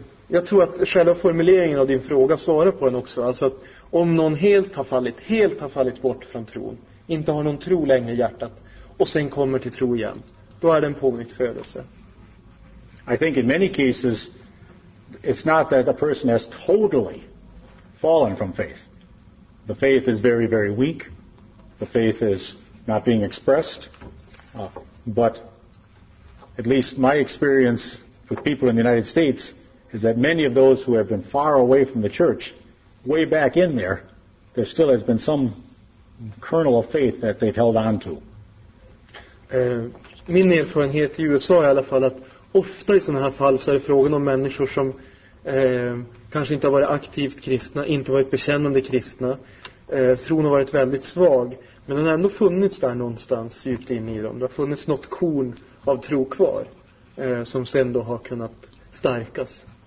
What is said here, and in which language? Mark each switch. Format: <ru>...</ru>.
<sv>Jag tror att själva formuleringen av din fråga svarar på den också. Alltså att om någon helt har fallit bort från tron, inte har någon tro längre i hjärtat och sen kommer till tro igen, då är det en pånytt födelse.</sv> <en>I think in many cases it's not that the person has totally fallen from faith. The faith is very, very weak. The faith is not being expressed. But at least my experience with people in the United States is that many of those who have been far away from the church, way back in there, there still has been some kernel of faith that they've held on to.</en> <sv>Min erfarenhet i USA i alla fall, att ofta i sådana här fall så är det frågan om människor som kanske inte har varit aktivt kristna, inte varit bekännande kristna, tron har varit väldigt svag, men den har ändå funnits där någonstans ute inne i dem. Det har funnits något korn av tro kvar som sen då har kunnat stärkas.</sv>